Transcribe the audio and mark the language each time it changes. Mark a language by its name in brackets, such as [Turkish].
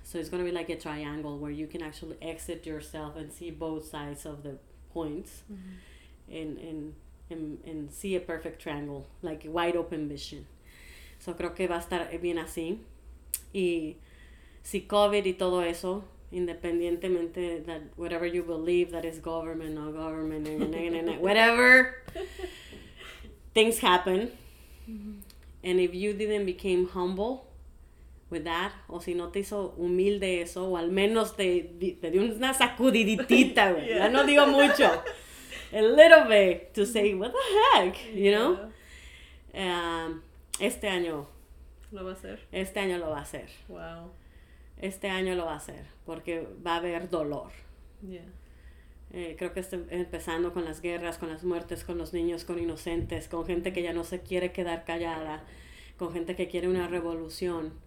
[English] So it's going to be like a triangle where you can actually exit yourself and see both sides of the points. Mm-hmm. and see a perfect triangle, like wide open vision. [Spanish] So creo que va a estar bien así. Y si COVID y todo eso, independientemente [English] that whatever you believe, that is government, no government, whatever, things happen. [Spanish] Mm-hmm. [English] And if you didn't become humble with that, [Spanish] o si no te hizo humilde eso, o al menos te dio una sacudiditita, yeah. Ya no digo mucho, [English] a little bit, to say, what the heck, you know? [Spanish] Este año. ¿Lo va a hacer? Este año lo va a hacer. [English] Wow. [Spanish] Este año lo va a hacer, porque va a haber dolor. [English] Yeah. [Spanish] Creo que está empezando con las guerras, con las muertes, con los niños, con inocentes, con gente que ya no se quiere quedar callada, con gente que quiere una revolución.